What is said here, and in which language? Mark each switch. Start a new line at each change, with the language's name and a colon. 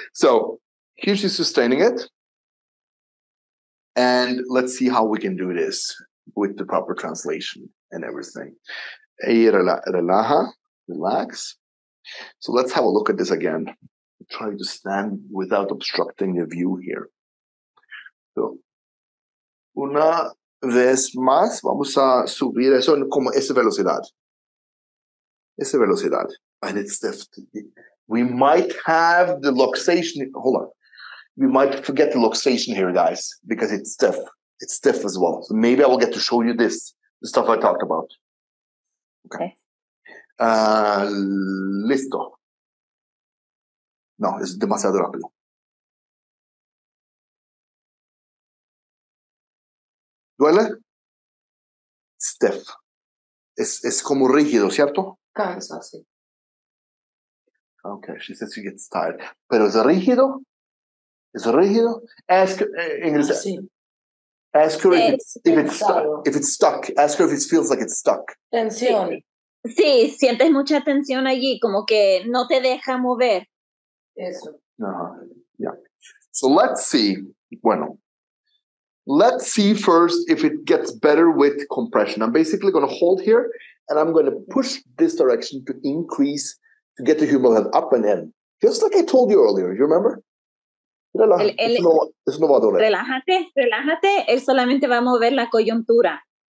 English: So here she's sustaining it. And let's see how we can do this with the proper translation and everything. Relaja, relax. So let's have a look at this again. I'm trying to stand without obstructing the view here.
Spanish: Una vez más, vamos a subir eso en como esa velocidad. Esa velocidad.
English: And it's definitely, we might have the luxation. Hold on. We might forget the luxation here, guys, because it's stiff. It's stiff as well. So maybe I will get to show you this, the stuff I talked about. Okay.
Spanish: Listo. No, es demasiado rápido. ¿Duele? Stiff. Es como rígido, ¿cierto? Cansa, sí.
English: Okay, she says she gets tired.
Spanish: ¿Pero es rígido? ¿Es rígido?
English: Ask English.
Spanish: Sí.
English: Ask her if it's stuck. Ask her if it feels like it's stuck.
Spanish: Tensión. Sí, sientes mucha tensión allí, como que no te deja mover. Eso.
English: Uh-huh. Yeah. So let's see. Bueno. Let's see first if it gets better with compression. I'm basically going to hold here, and I'm going to push this direction to increase, to get the humeral head up and in. Just like I told you earlier, you remember?
Spanish: Relájate. Él solamente va a mover la coyuntura.